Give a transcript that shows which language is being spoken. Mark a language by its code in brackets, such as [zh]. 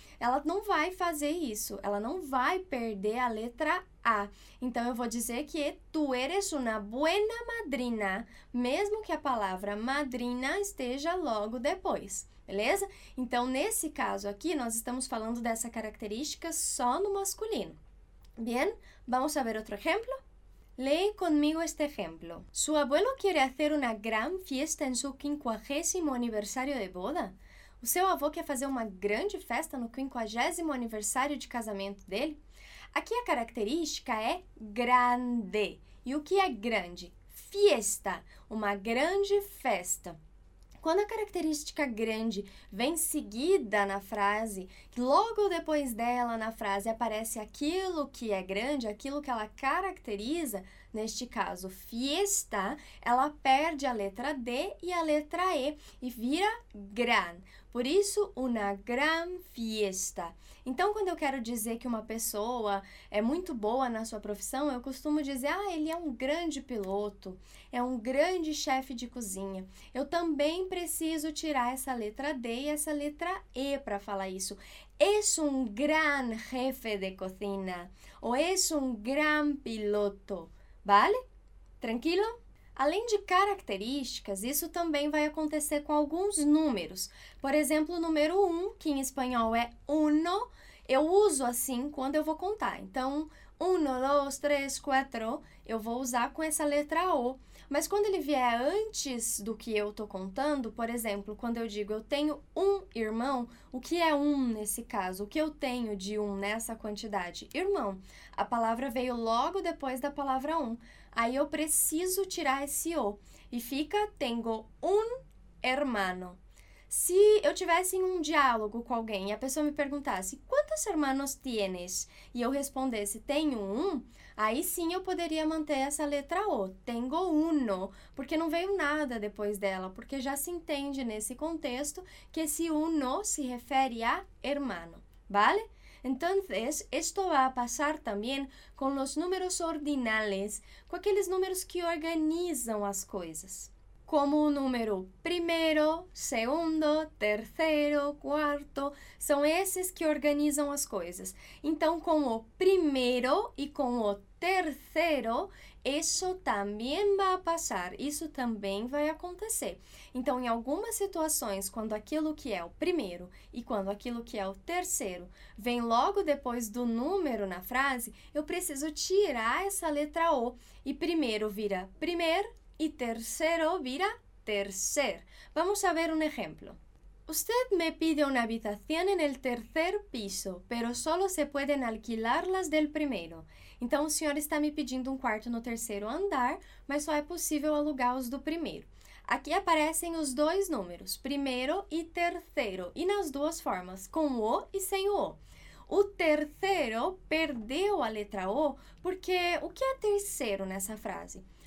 [pt] Ela não vai fazer isso, ela não vai perder a letra A. Então, eu vou dizer que [es] tu eres una buena madrina, [pt] mesmo que a palavra madrina esteja logo depois, beleza? Então, nesse caso aqui, nós estamos falando dessa característica só no masculino. [es] Bien, vamos a ver otro ejemplo. Lee conmigo este ejemplo. Su abuelo quiere hacer una gran fiesta en su 50º aniversario de boda. [pt] O seu avô quer fazer uma grande festa no 50º aniversário de casamento dele. Aqui a característica é grande. E o que é grande? Fiesta, uma grande festa. Quando a característica grande vem seguida na frase, logo depois dela na frase aparece aquilo que é grande, aquilo que ela caracteriza, neste caso, fiesta, ela perde a letra D e a letra E e vira gran. Por isso, [es] una gran fiesta. [pt] Então, quando eu quero dizer que uma pessoa é muito boa na sua profissão, eu costumo dizer, ah, ele é um grande piloto, é um grande chefe de cozinha. Eu também preciso tirar essa letra D e essa letra E para falar isso. [es] Es un gran jefe de cocina. Ou es un gran piloto. Vale? Tranquilo? [pt] Além de características, isso também vai acontecer com alguns números. Por exemplo, o número 1, que em espanhol é uno, eu uso assim quando eu vou contar. Então, uno, dos, três, quatro, eu vou usar com essa letra O. Mas quando ele vier antes do que eu estou contando, por exemplo, quando eu digo eu tenho um irmão, o que é um nesse caso? O que eu tenho de um nessa quantidade? Irmão. A palavra veio logo depois da palavra um. Aí eu preciso tirar esse O e fica [es] tengo un hermano. [pt] Se eu tivesse em um diálogo com alguém e a pessoa me perguntasse [es] quantos hermanos tienes [pt] e eu respondesse tenho um, aí sim eu poderia manter essa letra O, [es] tengo uno, [pt] porque não veio nada depois dela, porque já se entende nesse contexto que esse uno se refere a hermano, vale? [es] Entonces, esto va a pasar también con los números ordinales, [pt] com aqueles números que organizam as coisas. Como o número primeiro, segundo, terceiro, quarto, são esses que organizam as coisas. Então, com o primeiro e com o terceiro, isso também vai passar, isso também vai acontecer. Então, em algumas situações, quando aquilo que é o primeiro e quando aquilo que é o terceiro vem logo depois do número na frase, eu preciso tirar essa letra O e primeiro vira primeiro. [es] Y tercero vira tercer. Vamos a ver un ejemplo. Usted me pide una habitación en el tercer piso, pero solo se pueden alquilar las del primero. [pt] Então, o senhor está me pedindo um quarto no terceiro andar, mas só é possível alugar os do primeiro. Aqui aparecem os dois números, primeiro e terceiro, e nas duas formas, com o e sem o. O terceiro perdeu a letra O, porque o que é terceiro nessa frase?